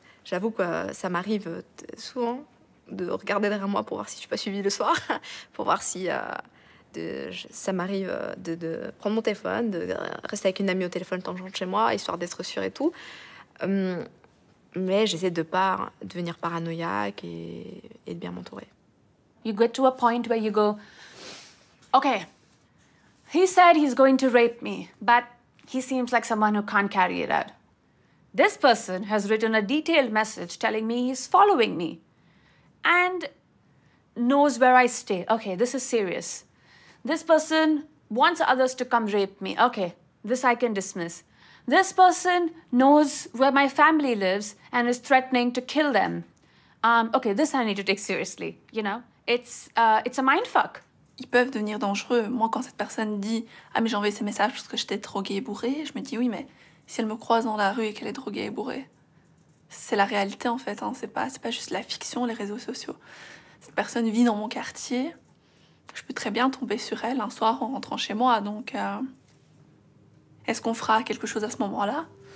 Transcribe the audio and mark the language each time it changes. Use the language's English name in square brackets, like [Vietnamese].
[French] J'avoue que ça m'arrive souvent de regarder derrière moi pour voir si je suis pas suivie le soir, pour voir si ça m'arrive de prendre mon téléphone, de rester avec une amie au téléphone tant que je rentre chez moi, histoire d'être sûre et tout. Mais j'essaie de pas devenir paranoïaque et de bien m'entourer. [English] You get to a point where you go, okay, he said he's going to rape me, but he seems like someone who can't carry it out. This person has written a detailed message telling me he's following me and knows where I stay. Okay, this is serious. This person wants others to come rape me. Okay, this I can dismiss. This person knows where my family lives and is threatening to kill them. Okay, this I need to take seriously, you know? It's a mindfuck. [French] Ils peuvent devenir dangereux. Moi, quand cette personne dit « Ah, mais j'ai envoyé ces messages parce que j'étais droguée et bourrée », je me dis « Oui, mais si elle me croise dans la rue et qu'elle est droguée et bourrée, c'est la réalité, en fait. Hein. C'est pas juste la fiction, les réseaux sociaux. Cette personne vit dans mon quartier. Je peux très bien tomber sur elle un soir en rentrant chez moi, donc... Est-ce qu'on fera quelque chose à ce moment-là?